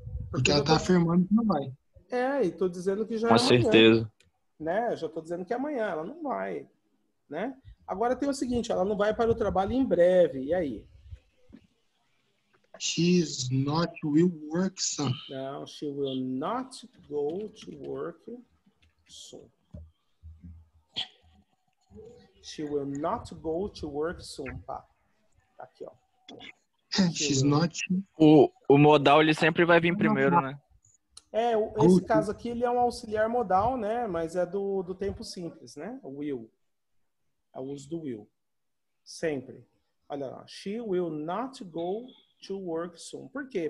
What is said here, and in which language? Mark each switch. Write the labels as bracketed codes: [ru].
[pt] Porque ela tá afirmando que não vai. É, e tô dizendo que já com é amanhã. Com certeza. Né? Já tô dizendo que é amanhã, ela não vai. Né? Agora tem o seguinte, ela não vai para o trabalho em breve. E aí? [en] She's not will work soon. [pt] Não, [en] she will not go to work soon. She will not go to work soon, pá. [pt] Tá aqui, ó. [en] She's not... [pt] O modal, ele sempre vai vir primeiro, né? É, esse caso aqui, ele é um auxiliar modal, né? Mas é do tempo simples, né? Will. É o uso do will. Sempre. Olha lá. [en] She will not go to work soon. [pt] Por quê?